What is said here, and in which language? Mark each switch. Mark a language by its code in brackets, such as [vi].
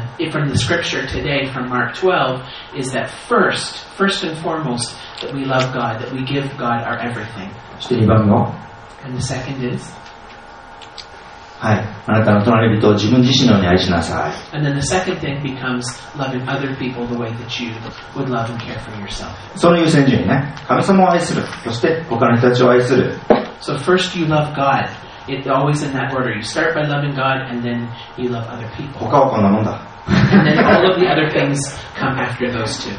[en] From the scripture today, from Mark 12, is that first and foremost, that we love God, that we give God our everything. And the second is? [ja] はい、あなたの隣人を自分自身のように愛しなさい。 [en] And then the second thing becomes loving other people the way that you would love and care for yourself. [ja] その優先順位ね、神様を愛する、そして他の人たちを愛する。 [en] So first you love God. It's always in that order. You start by loving God and then you love other people. [ja] 他はこんなもんだ。 [en] And then all of the other things come after those two.